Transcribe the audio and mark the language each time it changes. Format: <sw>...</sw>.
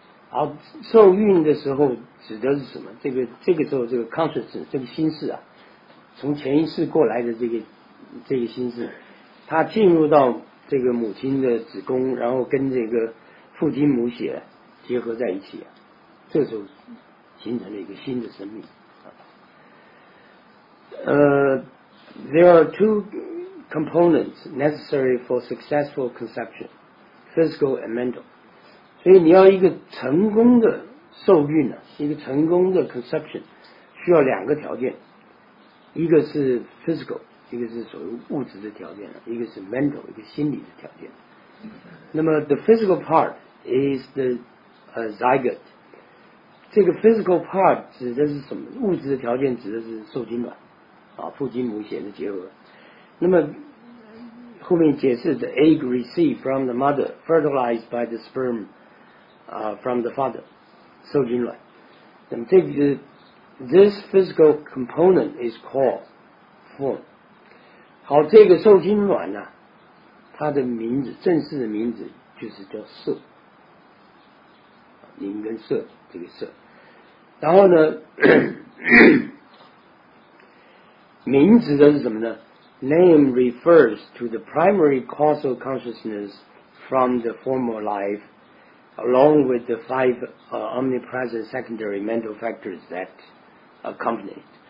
<zh>好，受孕的时候指的是什么？这个时候，这个 consciousness 这个心识啊，从前一世过来的这个心识，它进入到这个母亲的子宫，然后跟这个父精母血结合在一起啊，这时候形成了一个新的生命。</zh> <en>There are two components necessary for successful conception, physical and mental.</en> <zh>所以你要一个成功的受孕呢、啊，一个成功的 conception， 需要两个条件，一个是 physical， 一个是所谓物质的条件，一个是 mental， 一个心理的条件。</zh> <en>那么 the physical part is the zygote， 这个 physical part</en> <zh>指的是什么？物质的条件指的是受精卵，啊，父精母血的结合。那么后面解释</zh> <en>the egg received from the mother fertilized by the spermfrom the father,</en> <zh>受精卵。那么这个</zh> <en>this physical component is called form。</en> <zh>好，这个受精卵呢、啊，它的名字正式的名字就是叫色，名跟色这个色。然后呢，名指的是什么呢</zh> <en>？Name refers to the primary causal consciousness from the former life. Along with the five omnipresent secondary mental factors that accompany it.</en>